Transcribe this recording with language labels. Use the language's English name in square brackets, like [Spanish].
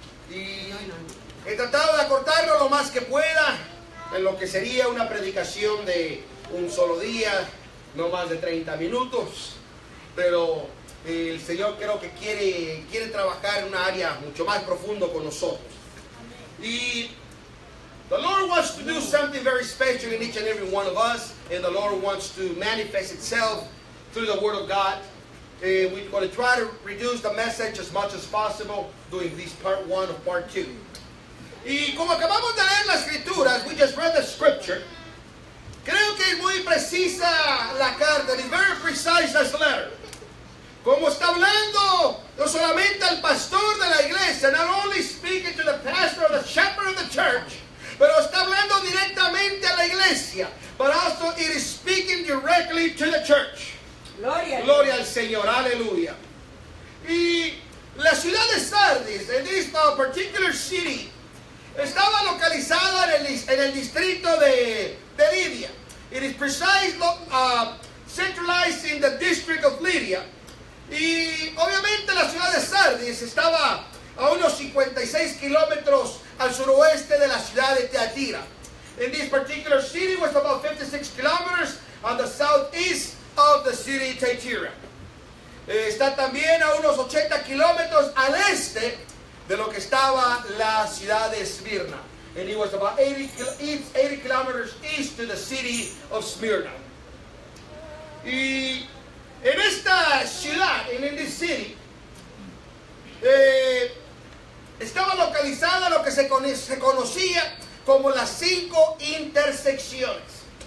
[Spanish] Y he tratado de acortarlo lo más que pueda en lo que sería una predicación de un solo día, no más de 30 minutos. Pero el Señor creo que quiere trabajar en un área mucho más profundo con nosotros. [English] Y the Lord wants to do something very special in each and every one of us, and the Lord wants to manifest itself through the Word of God. We're going to try to reduce the message as much as possible doing this part one or part two. [Spanish] Y como acabamos de leer la escritura, [English] we just read the scripture, [Spanish] creo que es muy precisa la carta, [English] it's very precise this letter. [Spanish] Como está hablando no solamente al pastor de la iglesia, [English] not only speaking to the pastor or the shepherd of the church, [Spanish] pero está hablando directamente a la iglesia, [English] but also it is speaking directly to the church. [Spanish] Gloria, gloria al Señor, aleluya. Y la ciudad de Sardis, en esta [English] particular city, [Spanish] estaba localizada en el distrito de Lidia. [English] It is precisely centralized in the district of Lydia. [Spanish] Y obviamente la ciudad de Sardis estaba a unos 56 kilómetros al suroeste de la ciudad de Teatira. [English] In this particular city was about 56 kilometers on the southeast of the city of Teatira. [Spanish] Está también a unos 80 kilómetros al este de lo que estaba la ciudad de Smyrna. [English] And it was about 80 kilometers east to the city of Smyrna. [Spanish] Y en esta ciudad, [English] in this city, [Spanish] estaba localizada lo que se conocía como las cinco intersecciones.